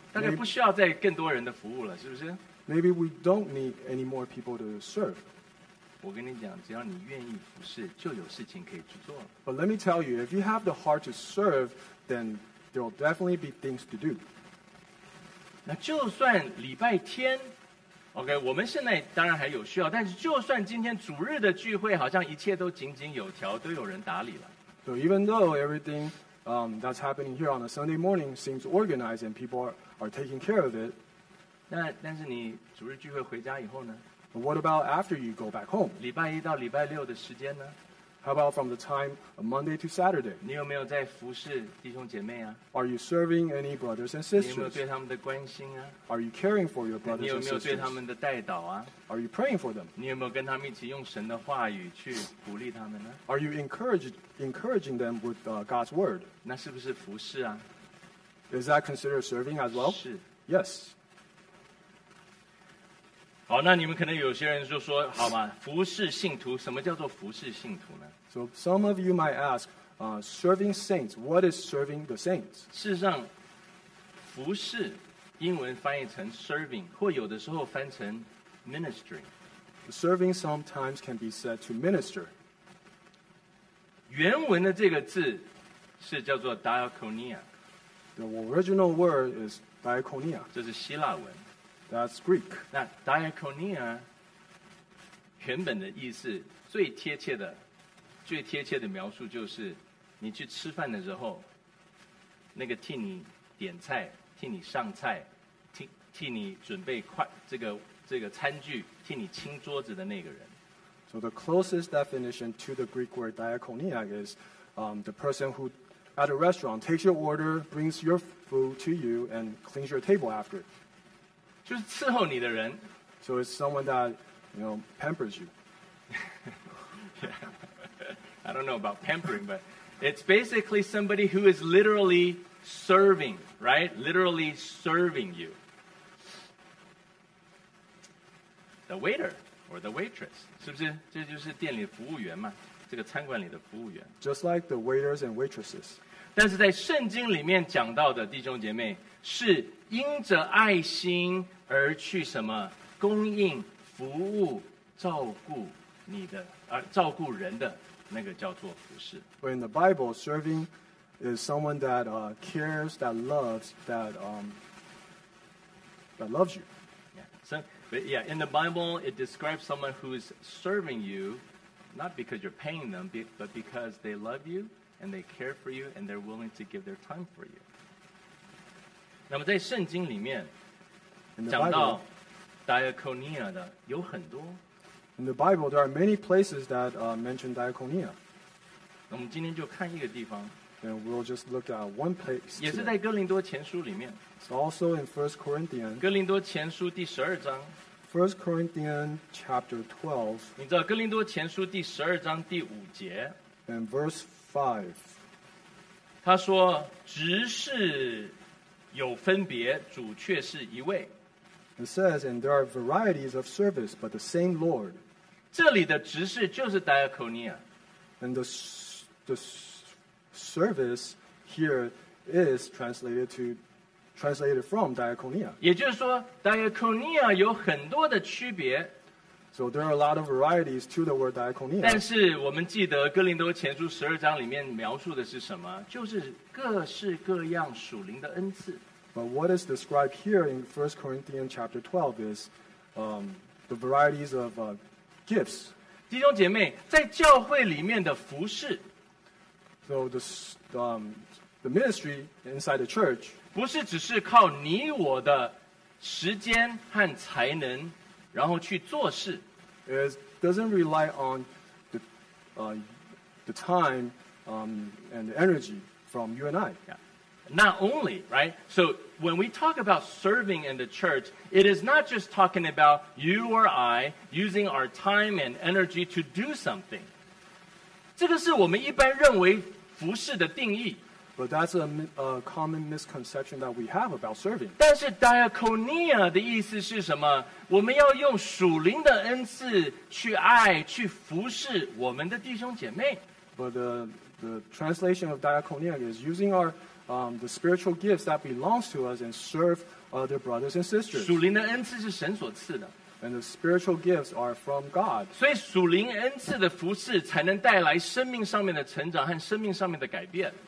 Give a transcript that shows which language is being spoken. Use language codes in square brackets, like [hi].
[zh] 大概不需要再更多人的服务了，是不是？ [en] Maybe we don't need any more people to serve. [zh] 我跟你讲，只要你愿意服事，就有事情可以去做。 [en] But let me tell you, if you have the heart to serve, then there will definitely be things to do. [zh] 那就算礼拜天 ，OK， 我们现在当然还有需要，但是就算今天主日的聚会，好像一切都井井有条，都有人打理了。 [en] So even though everything that's happening here on a Sunday morning seems organized and people are taking care of it, [zh] 那但是你主日聚会回家以后呢？ [en] What about after you go back home? [zh] 礼拜一到礼拜六的时间呢？ [en] How about from the time Monday to Saturday? [zh] 你有没有在服侍弟兄姐妹啊？ [en] Are you serving any brothers and sisters? [zh] 你有没有对他们的关心啊？ [en] Are you caring for your brothers and sisters? [zh] 你有没有对他们的带导啊？ [en] Are you praying for them? [zh] 你有没有跟他们一起用神的话语去鼓励他们呢？ [en] Are you encouraging them with God's word? [zh] 那是不是服侍啊？ [en] Is that considered serving as well? [zh] 是。 [en] Yes. [zh] 好，那你们可能有些人就说，好吗？服侍信徒，什么叫做服侍信徒呢 [en] ？So some of you might ask, serving saints, what is serving the saints? [zh] 事实上，服侍英文翻译成 serving， 或有的时候翻成 ministry。 [en] Serving sometimes can be said to minister。 [zh] 原文的这个字是叫做 diakonia。 [en] The original word is diakonia， [zh] 这是希腊文。 [en] That's Greek。 [zh] 那 diakonia 原本的意思最贴切的描述就是你去吃饭的时候，那个替你点菜、替你上菜、替你准备筷这个餐具、替你清桌子的那个人。 [en] So the closest definition to the Greek word diakonia is the person who at a restaurant takes your order, brings your food to you, and cleans your table after it. [zh] 就是伺候你的人。 [en] So it's someone that pampers you. I don't know about pampering, but it's basically somebody who is literally serving, right? Literally serving you. The waiter or the waitress. [zh] 是不是？这就是店里的服务员嘛？这个餐馆里的服务员。 [en] Just like the waiters and waitresses. [zh] 但是在圣经里面讲到的弟兄姐妹，是因着爱心而去什么？供应、服务、照顾你的，照顾人的。那个叫做服侍。 [en] But in the Bible, serving is someone that cares, that loves, that loves you. Yeah. So, in the Bible, it describes someone who is serving you, not because you're paying them, but because they love you and they care for you and they're willing to give their time for you. [zh] 那么在圣经里面 [en] Bible, [zh] 讲到 diakonia 的有很多。 [en] In the Bible, there are many places that mention diakonia. [zh] 我们今天就看一个地方。 [en] And we'll just look at one place. [zh] 也是在哥林多前书里面。 [en] It's also in 1 Corinthians. [zh] 哥林多前书第十二章。 [en] 1 Corinthians chapter 12. [zh] 你知道哥林多前书第十二章第五节。 [en] And verse 5. [zh] 他说，执事有分别，主却是一位。 [en] It says, and there are varieties of service, but the same Lord. [zh] 这里的执事就是 diakonia. [en] And the service here is translated from diakonia. [zh] 也就是说 diakonia 有很多的区别。 [en] So there are a lot of varieties to the word diakonia. [zh] 但是我们记得哥林多前书十二章里面描述的是什么？就是各式各样属灵的恩赐。 [en] But what is described here in 1 Corinthians chapter 12 is the varieties of gifts. [zh] 弟兄姐妹，在教会里面的服事。 [en] So the ministry inside the church. [zh] 不是只是靠你我的时间和才能，然后去做事。 [en] It doesn't rely on the time and the energy from you and I. Yeah. Not only, right? So when we talk about serving in the church, it is not just talking about you or I using our time and energy to do something. [zh] 这个是我们一般认为服事的定义。 [en] But that's a common misconception that we have about serving. [zh] 但是 diakonia 的意思是什么？我们要用属灵的恩赐去爱、去服事我们的弟兄姐妹。 [en] But the translation of diakonia is using our the spiritual gifts that belongs to us and serve other brothers and sisters. [zh] 属灵的恩赐是神所赐的。 [en] And the spiritual gifts are from God. [zh] 所以属灵恩赐的服事才能带来生命上面的成长和生命上面的改变。